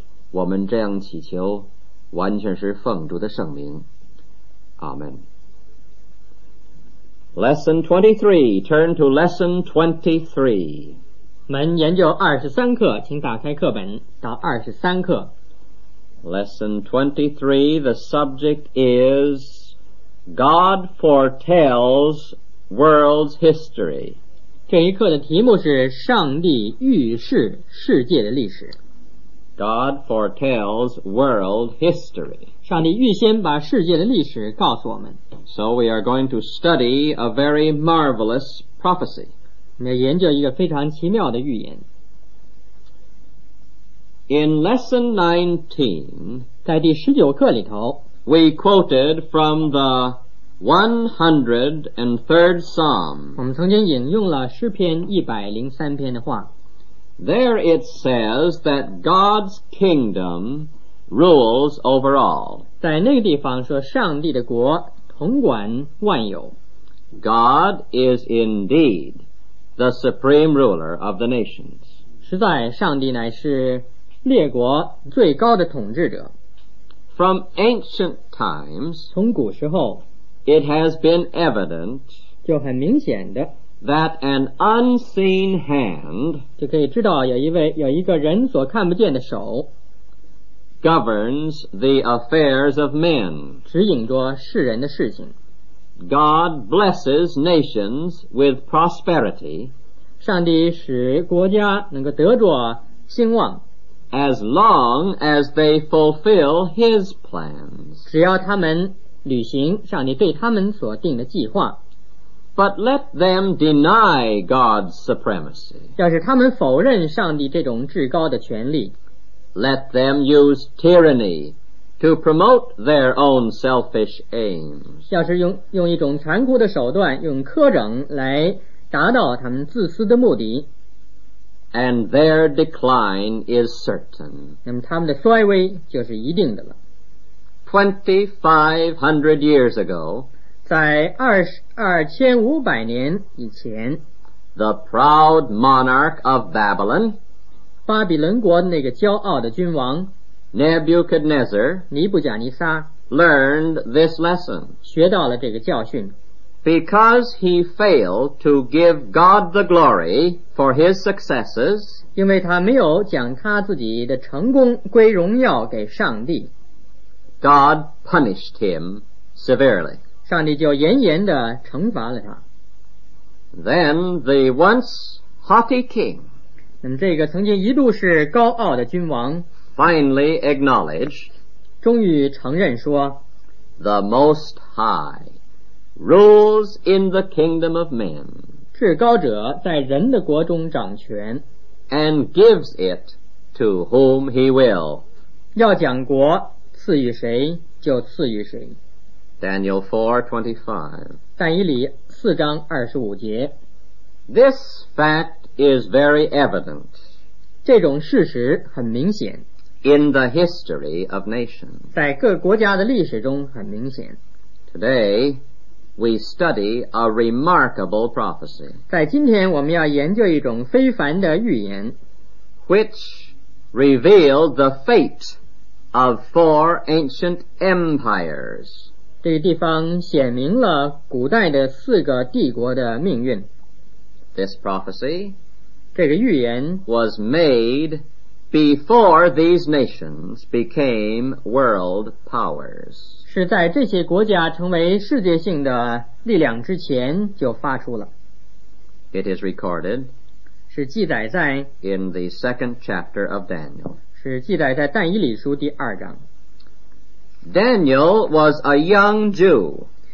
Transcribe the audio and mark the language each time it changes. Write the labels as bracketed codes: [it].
[zh] 我们这样祈求，完全是奉主的圣名，阿们。 [en] Lesson 23, turn to Lesson 23. [zh] 门研究23课，请打开课本到23课。 [en] Lesson 23, the subject is God foretells world's history. [zh] 这一课的题目是上帝预示世界的历史。 [en] God foretells world history. [zh] 上帝预先把世界的历史告诉我们。 [en] So we are going to study a very marvelous prophecy. [zh] 我们研究一个非常奇妙的预言。 [en] In lesson 19, [zh] 在第十九课里头, [en] we quoted from the 103rd Psalm. [zh] 我们曾经引用了诗篇103篇的话。 [en] There it says that God's kingdom rules over all. [zh] 在那个地方说上帝的国统管万有。 [en] God is indeed the supreme ruler of the nations. [zh] 实在上帝乃是列国最高的统治者。 [en] From ancient times, [zh] 从古时候, [en] it has been evident, [zh] 就很明显的, [en] that an unseen hand, [zh] 就可以知道有一个人所看不见的手, [en] governs the affairs of men, [zh] 指引着世人的事情。 [en] God blesses nations with prosperity, [zh] 上帝使国家能够得着兴旺。 [en] As long as they fulfill his plans. [zh] 只要他们履行上帝对他们所定的计划。 [en] But let them deny God's supremacy. [zh] 要是他们否认上帝这种至高的权利。 [en] Let them use tyranny to promote their own selfish aims. [zh] 要是用一种残酷的手段，用苛整来达到他们自私的目的。 [en] And their decline is certain. [zh] 那么他们的衰微就是一定的了。 [en] 2500 years ago, [zh] 在2500年以前, [en] the proud monarch of Babylon, [zh] 巴比伦国那个骄傲的君王, [en] Nebuchadnezzar, [zh] 尼布甲尼撒, [en] learned this lesson. [zh] 学到了这个教训。 [en] Because he failed to give God the glory for his successes, [zh] 因为他没有将他自己的成功归荣耀给上帝, [en] God punished him severely. [zh] 上帝就严严地惩罚了他。 [en] Then the once haughty king, [zh] 那么这个曾经一度是高傲的君王, [en] finally acknowledged, [zh] 终于承认说, [en] the Most High rules in the kingdom of men, [zh] 至高者在人的国中掌权, [en] and gives it to whom he will, [zh] 要讲国赐予谁就赐予谁。 [en] Daniel 4:25, [zh] 但以理四章二十五节。 [en] This fact is very evident, [zh] 这种事实很明显。 [en] In the history of nations, [zh] 在各国家的历史中很明显。 [en] Today,We study a remarkable prophecy. [zh] 在今天我们要研究一种非凡的预言。 [en] Which revealed the fate of four ancient empires. [zh] 这个地方显明了古代的四个帝国的命运。 [en] this prophecy, [zh] 这个预言, [en] was made before these nations became world powers. [zh] 是在这些国家成为世界性的力量之前就发出了。 [en] It is recorded, [zh] 是记载在, [en] in the second chapter of Daniel. [zh] 是记载在但以理书第二章。 [en] Daniel was a young Jew.